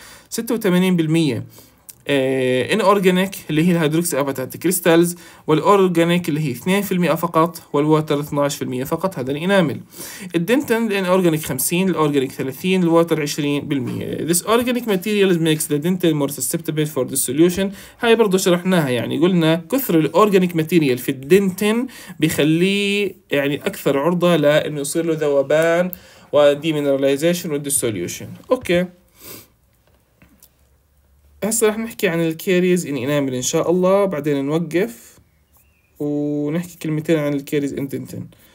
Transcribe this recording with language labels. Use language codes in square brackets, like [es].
[ar] 86% inorganic اللي هي الهيدروكسي أباتات كريستالز، والأورجانيك اللي هي 2% فقط، والووتر 12% فقط. هذا الإنامل. الدنتن الإنورجانيك 50%، الأورجانيك 30%، الووتر 20%. [en] This organic material makes the dentin more susceptible for dissolution. [ar] هاي برضو شرحناها، يعني قلنا كثر الأورجانيك ماتيريال في الدنتن بيخليه يعني أكثر عرضة لأنه يصير له ذوبان وديمينراليزيشن والديسوليوشن. أوكي هسه رح نحكي عن الكاريز ان انامل ان شاء الله، بعدين نوقف ونحكي كلمتين عن الكاريز ان دنتن.